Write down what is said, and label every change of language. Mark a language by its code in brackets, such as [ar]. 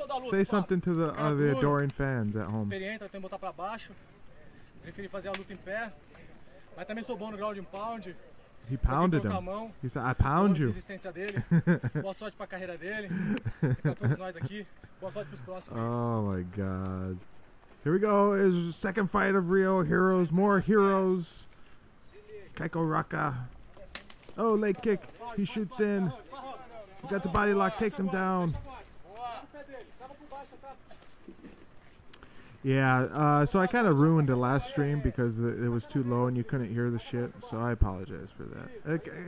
[en] Say something to the adoring fans at home. [pt] Experiente, eu tenho que botar para baixo. Preferi fazer a luta em pé. Mas também sou bom no [en] ground and pound. He pounded him. He said, I pound you. [pt] Boa sorte para a carreira dele. Para todos nós aqui. Boa sorte para os próximos. [en] Oh my god. Here we go. It's the second fight of Rio Heroes. More heroes. Kaiko Raka. Oh, leg kick. He shoots in. He gets a body lock. Takes him down. Yeah, so I kind of ruined it last stream because it was too low and you couldn't hear the shit, so I apologize for that.